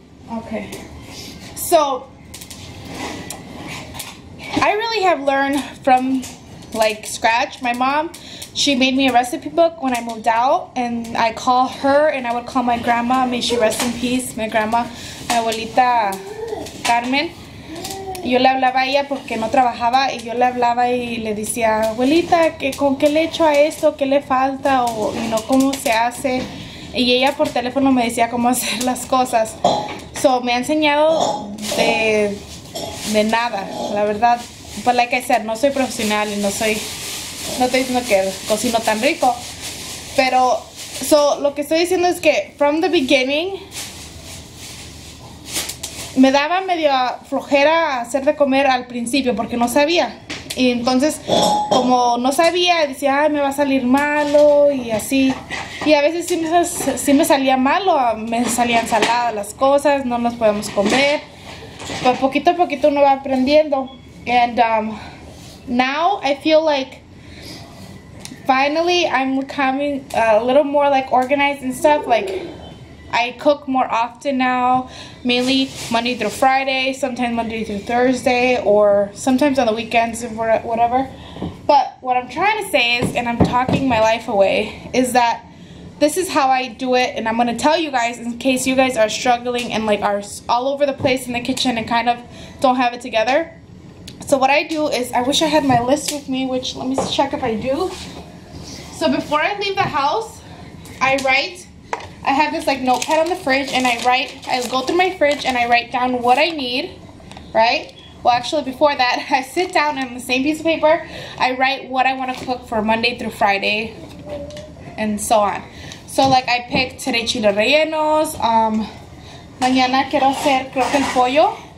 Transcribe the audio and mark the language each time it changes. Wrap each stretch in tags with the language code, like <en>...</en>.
<en>Okay, so I really have learned from like scratch. My mom, she made me a recipe book when I moved out, and I call her and I would call my grandma, may she rest in peace, my grandma, my abuelita Carmen.</en> <es>Yo le hablaba a ella porque no trabajaba y yo le hablaba y le decía, abuelita, ¿qué, con qué le echo a esto? ¿Qué le falta? O</es> <en>you know,</en> <es>¿cómo se hace? Y ella por teléfono me decía cómo hacer las cosas.</es> <en>So,</en> <es>me ha enseñado de nada, la verdad.</es> <en>But like I said,</en> <es>no soy profesional y no soy, no estoy diciendo que cocino tan rico. Pero,</es> <en>so,</en> <es>lo que estoy diciendo es que</es> <en>from the beginning,</en> <es>me daba medio flojera hacer de comer al principio porque no sabía. Y entonces, como no sabía, decía, ay, me va a salir malo y así. Y a veces sí me salía malo, me salían saladas las cosas, no nos podemos comer. Pero poquito a poquito uno va aprendiendo.</es> <en>And now I feel like finally I'm becoming a little more like organized and stuff. Like, I cook more often now, mainly Monday through Friday, sometimes Monday through Thursday, or sometimes on the weekends or whatever. But what I'm trying to say is, and I'm talking my life away, is that this is how I do it, and I'm going to tell you guys in case you guys are struggling and like are all over the place in the kitchen and kind of don't have it together. So what I do is, I wish I had my list with me, which let me check if I do. So before I leave the house, I write, I have this like notepad on the fridge, and I write, I go through my fridge and I write down what I need, right? Well, actually before that, I sit down on the same piece of paper, I write what I want to cook for Monday through Friday and so on. So like I picked today</en> <es>chile rellenos, mañana quiero hacer creo que el pollo,</es>